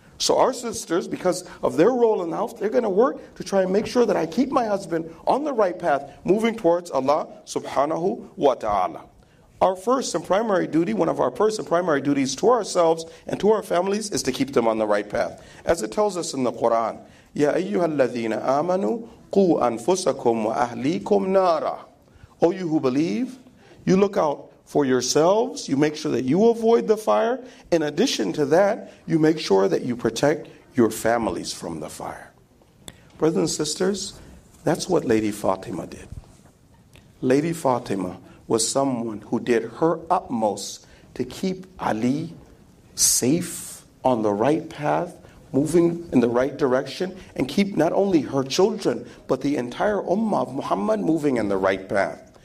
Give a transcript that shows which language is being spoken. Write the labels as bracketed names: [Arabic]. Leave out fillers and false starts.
[English] So our sisters, because of their role in the house, they're going to work to try and make sure that I keep my husband on the right path, moving towards Allah subhanahu wa ta'ala. Our first and primary duty, one of our first and primary duties to ourselves and to our families, is to keep them on the right path. As it tells us in the Quran, [Arabic] يَا أَيُّهَا الَّذِينَ آمَنُوا قُوا أَنفُسَكُمْ وَأَهْلِيكُمْ نَارًا. [English] O you who believe, you look out for yourselves, you make sure that you avoid the fire. In addition to that, you make sure that you protect your families from the fire. Brothers and sisters, that's what Lady Fatima did. Lady Fatima was someone who did her utmost to keep Ali safe, on the right path, moving in the right direction, and keep not only her children, but the entire Ummah of Muhammad moving in the right path.